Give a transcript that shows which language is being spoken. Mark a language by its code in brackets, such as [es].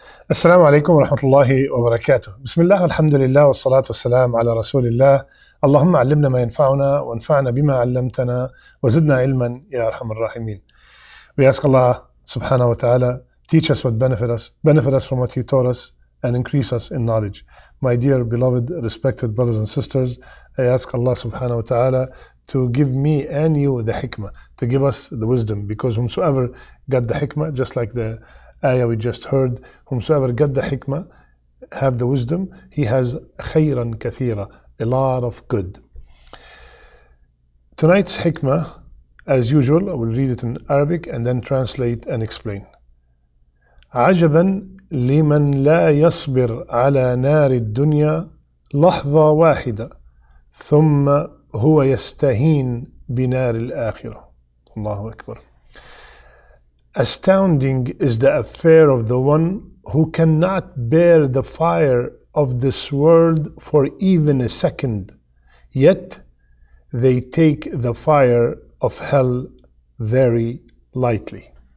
[ar] السلام عليكم ورحمة الله وبركاته. بسم الله، الحمد لله، والصلاة والسلام على رسول الله. اللهم علمنا ما ينفعنا وانفعنا بما علمتنا وزدنا علما يا أرحم الراحمين. [en] We ask Allah [ar] سبحانه وتعالى, [en] teach us what benefit us from what you taught us and increase us in knowledge. My dear beloved, respected brothers and sisters, I ask Allah subhanahu wa ta'ala to give me and you the hikmah, to give us the wisdom, because whomsoever got the hikmah, just like the ayah we just heard, whomsoever got the hikmah, have the wisdom, he has khayran kathira, a lot of good. Tonight's hikmah, as usual, I will read it in Arabic and then translate and explain. [ar] عجباً لمن لا يصبر على نار الدنيا لحظة واحدة ثم هو يستهين بنار الآخرة. الله أكبر. [en] Astounding is the affair of the one who cannot bear the fire of this world for even a second, yet they take the fire of hell very lightly.